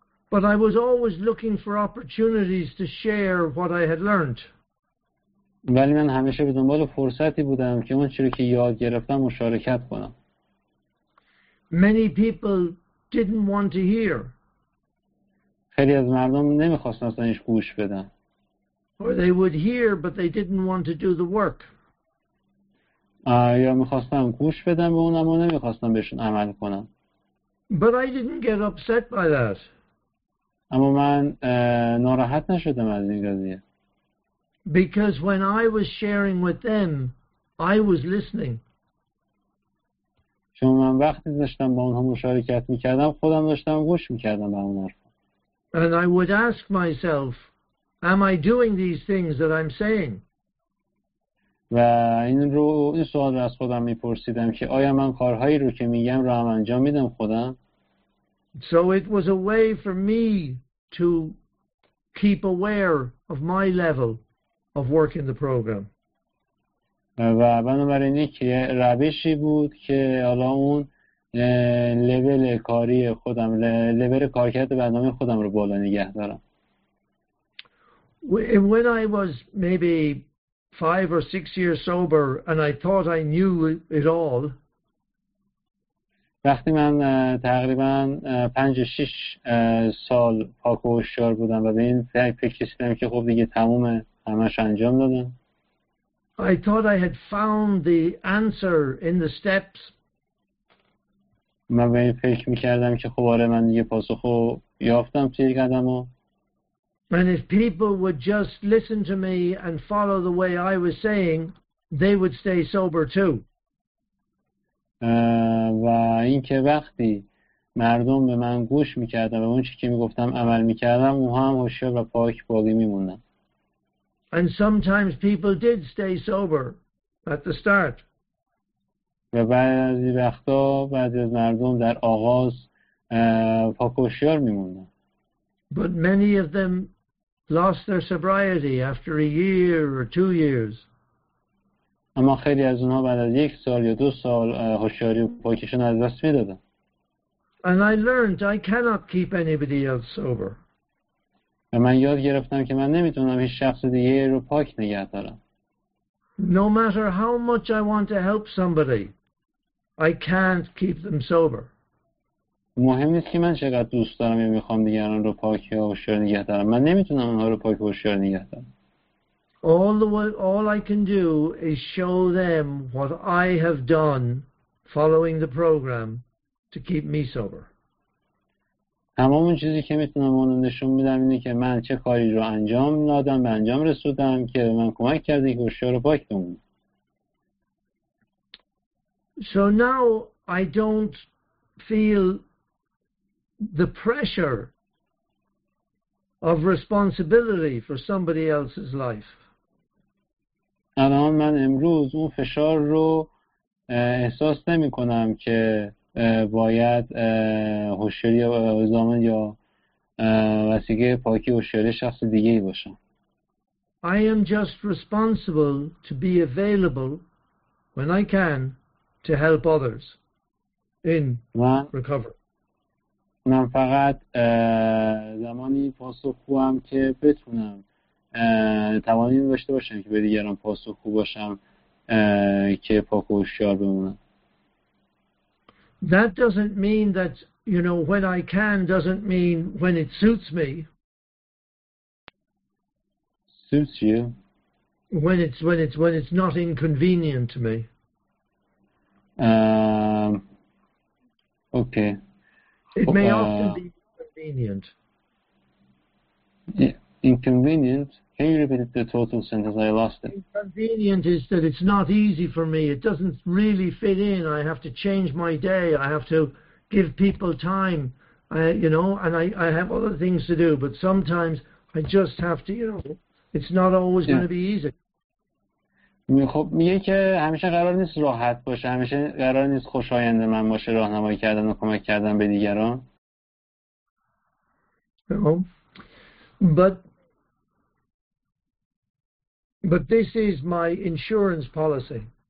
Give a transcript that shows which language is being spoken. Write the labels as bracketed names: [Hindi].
[English] But I was always looking for opportunities to share what I had learned. [Persian] ولی من همیشه به دنبال فرصتی بودم که اون چیزی که یاد گرفتم مشارکت کنم. [English] Many people didn't want to hear. [Persian] خیلی از مردم نمیخواستن اصلا هیچ گوش بدن. [English] Or they would hear but they didn't want to do the work. [Persian] یا میخواستم گوش بدم به اون اما نمیخواستم بهشون عمل کنم. [English] But I didn't get upset by that. [Persian] اما من ناراحت نشدم از این قضیه. [English] Because when I was sharing with them, I was listening. [Persian] چون من وقتی داشتم با اونها مشارکت میکردم خودم داشتم گوش میکردم به اون حرفا. [English] And I would ask myself, am I doing these things that I'm saying? [Persian] و این سوال رو از خودم میپرسیدم که آیا من کارهایی رو که میگم رو هم انجام میدم خودم؟ [English] So it was a way for me to keep aware of my level of work in the program. [Persian] و بنابراین که روشی بود که حالا اون لول کاری خودم لول کارکرد برنامه خودم رو بالا نگه دارم. [English] When I was maybe 5 or 6 years sober and I thought I knew it all. [Persian] وقتی من تقریبا 5-6 سال پاک و هوشیار بودم و به این فکر رسیدم که خب دیگه تمومه همش انجام دادم. [English] I thought I had found the answer in the steps. [Persian] من به این فکر میکردم که خب آره من دیگه پاسخو یافتم توی قدمو. [English] And if people would just listen to me and follow the way I was saying, they would stay sober too. [Persian] و اینکه وقتی مردم به من گوش میکردن و اون چی که میگفتم عمل میکردم اون هم هوشیار و پاک باقی میموندن. [English] And sometimes people did stay sober at the start. [Persian] و بعضی وقتا بعضی از مردم در آغاز پاک و هوشیار میموندن. [English] But many of them lost their sobriety after a year or 2 years. [Persian] اما خیلی از اونها بعد از یک سال یا دو سال هوشیاری و پاکیشون از دست میدادن. [English] And I learned I cannot keep anybody else sober. [Persian] و من یاد گرفتم که من نمیتونم هیچ شخص دیگه رو پاک نگه دارم. [English] No matter how much I want to help somebody, I can't keep them sober. [Persian] مهم نیست که من چقدر دوست دارم یا میخوام دیگران رو پاک و هوشیار نگه دارم. من نمیتونم اونها رو پاک و هوشیار نگه دارم. [English] All I can do is show them what I have done following the program to keep me sober. [Persian] تمام اون چیزی که میتونم اون رو نشون میدم اینه که من چه کاری رو انجام دادم به انجام رسودم که من کمک کرده که هوشیار رو پاک بمونم. [English] So now I don't feel the pressure of responsibility for somebody else's life. [Persian] الان من امروز اون فشار رو احساس نمی کنم که باید هوشیاری زامن یا وسیله پاکی هوشیاری شخص دیگه ای باشم. [English] I am just responsible to be available when I can to help others in recovery. [Persian] من فقط زمانی پاسخگویم که بتونم توانایی داشته باشم که به دیگران پاسخ خوب باشم که پاک و هوشیار بمونم. [English] That doesn't mean that, you know, when I can doesn't mean when it suits me. Suits you? When it's not inconvenient to me. Okay. It may often be inconvenient. Yeah, inconvenient. Can you repeat the total sentence? I lost it. Inconvenient is that it's not easy for me. It doesn't really fit in. I have to change my day. I have to give people time. I have other things to do. But sometimes I just have to, you know, it's not always going to be easy. [Persian] خب میگه که همیشه قرار نیست راحت باشه. همیشه قرار نیست خوشایند من باشه راهنمایی کردن و کمک کردن به دیگران. [English] But this is my insurance policy.